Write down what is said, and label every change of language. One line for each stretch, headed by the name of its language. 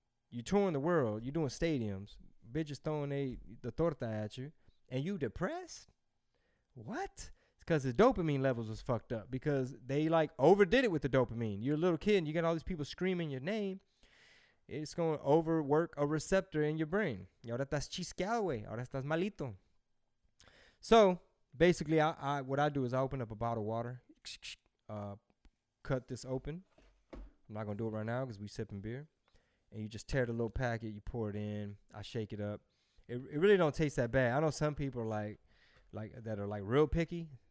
English: You touring the world, you doing stadiums, bitches throwing the torta at you, and you depressed? What? It's because his dopamine levels was fucked up because they like overdid it with the dopamine. You're a little kid and you got all these people screaming your name. It's going to overwork a receptor in your brain.
Spanish: Y ahora estás chisqueado, ahora estás malito.
English: So basically what I do is I open up a bottle of water, cut this open. I'm not going to do it right now because we sipping beer. And you just tear the little packet, you pour it in, I shake it up. It really don't taste that bad. I know some people like that are like real picky.